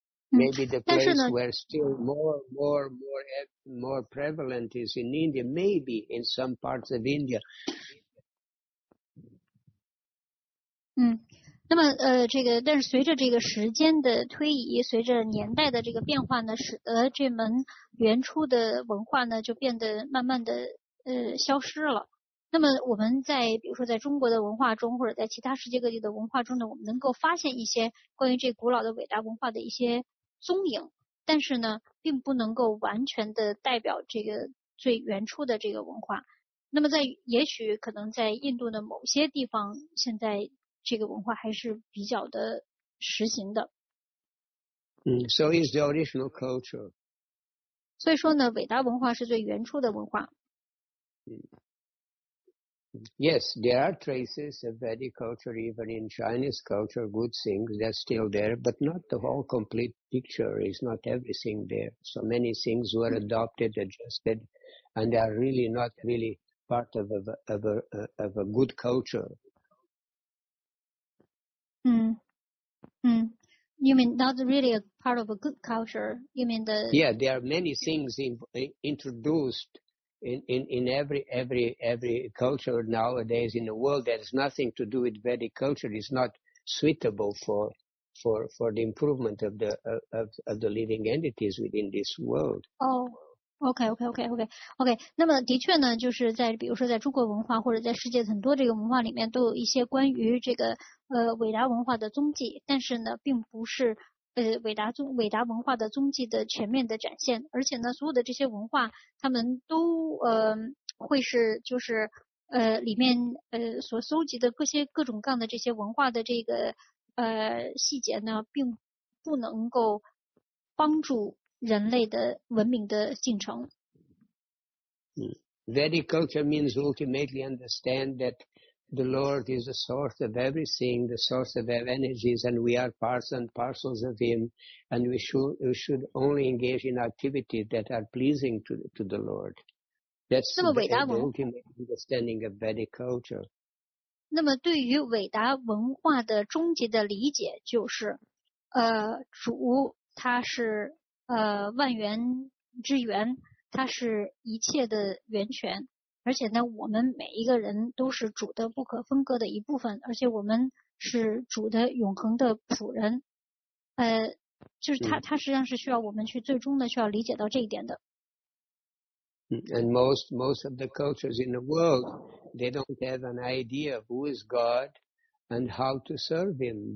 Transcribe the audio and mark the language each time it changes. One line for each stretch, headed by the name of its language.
English: Maybe the place where still more prevalent is in India, maybe in some parts of India.
Chinese: 那么这个但是随着这个时间的推移，随着年代的这个变化呢，使得这门原初的文化呢就变得慢慢的消失了。那么我们在比如说在中国的文化中，或者在其他世界各地的文化中呢，我们能够发现一些关于这古老的伟大文化的一些踪影，但是呢，并不能够完全的代表这个最原初的这个文化。那么在也许可能在印度的某些地方，现在这个文化还是比较的实行的。
English: So is the original culture.
Chinese: 所以说呢，伟大文化是最原初的文化。
English: Yes, there are traces of Vedic culture, even in Chinese culture, good things, they're still there, but not the whole complete picture, is not everything there. So many things were adopted, adjusted, and they are really not really part of a good culture. You mean not really a part of a good culture? You mean the... Yeah, there are many things introduced in every culture nowadays in the world that has nothing to do with Vedic culture. It's not suitable for the improvement of the living entities within this world. Okay.
Chinese: 那么的确呢，就是在比如说在中国文化或者在世界很多这个文化里面，都有一些关于这个伟达文化的踪迹，但是呢，并不是伟达文化的踪迹的全面的展现。而且呢，所有的这些文化，他们都会是就是里面所搜集的各种各样的这些文化的这个细节呢，并不能够帮助人类的文明的进程。
English: Vedic culture means ultimately understand that the Lord is the source of everything, the source of our energies, and we are parts and parcels of Him, and we should only engage in activities that are pleasing to the Lord. That's the ultimate understanding of Vedic culture.
Chinese: 那么对于伟达文化的终极的理解就是，主他是。万源之源，它是一切的源泉，而且呢，我们每一个人都是主的不可分割的一部分，而且我们是主的永恒的仆人。就是它实际上是需要我们去最终的需要理解到这一点的。
English: And most of the cultures in the world, they don't have an idea of who is God and how to serve Him.